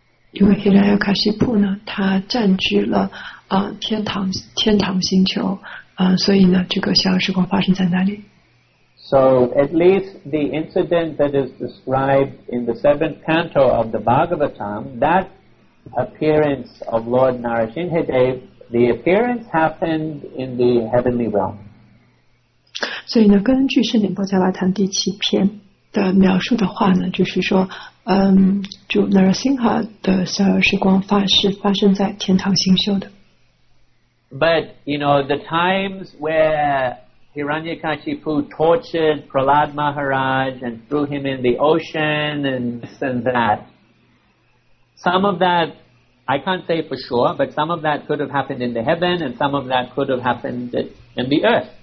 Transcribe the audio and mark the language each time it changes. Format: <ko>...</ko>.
<zh>因为 Hiranyakashipu 呢，他占据了天堂星球，所以呢，这个逍遥时光发生在哪里？</zh> <en>So at least the incident that is described in the seventh canto of the Bhagavatam, that appearance of Lord Narasimhadev, the appearance happened in the heavenly realm.</en> <zh>所以呢，根据圣顶波伽瓦坛第七篇的描述的话呢，就是说，就 Narasimha 的逍遥时光发生在天堂星宿的。</zh> <en>But you know the times where. Hiranyakashipu tortured Prahlad Maharaj and threw him in the ocean and this and that. Some of that, I can't say for sure, but some of that could have happened in the heaven and some of that could have happened in the earth.</en>